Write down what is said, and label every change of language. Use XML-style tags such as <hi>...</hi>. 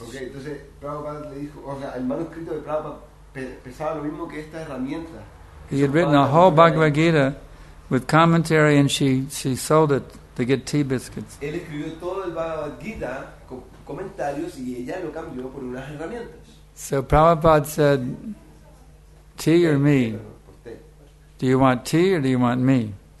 <es>Okay, entonces Prabhupada le dijo, o sea, el manuscrito de Prabhupada pesaba lo mismo que esta herramienta.</es> <en>He had written a whole Bhagavad Gita with commentary, and she sold it to get tea biscuits.</en> <es>Él escribió todo el Bhagavad Gita con comentarios y ella lo cambió por unas herramientas.</es> <en>So Prabhupada said, tea or me? Do you want tea or do you want me?</en>